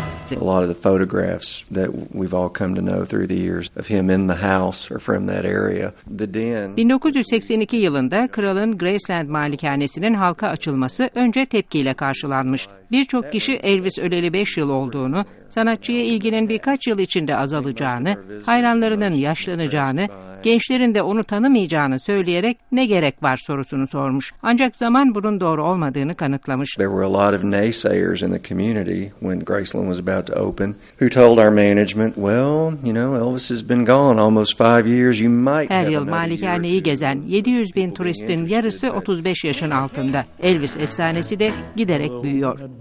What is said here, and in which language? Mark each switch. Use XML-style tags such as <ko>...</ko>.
<en>A lot of the photographs that we've all come to know through the years of him in the house or from that area, the den.</en> <tr>1982 yılında kralın Graceland malikanesinin halka açılması önce tepkiyle karşılanmış. Birçok kişi Elvis öleli 5 yıl olduğunu, sanatçıya ilginin birkaç yıl içinde azalacağını, hayranlarının yaşlanacağını, gençlerin de onu tanımayacağını söyleyerek ne gerek var sorusunu sormuş. Ancak zaman bunun doğru olmadığını kanıtlamış.</tr> <en>There were a lot of naysayers in the community when Graceland was about to open, who told our management, well, you know, Elvis has been gone almost 5 years, you might.</en> <tr>Her yıl malikaneyi gezen 700 bin turistin yarısı 35 yaşın altında. Elvis efsanesi de giderek büyüyor.</tr>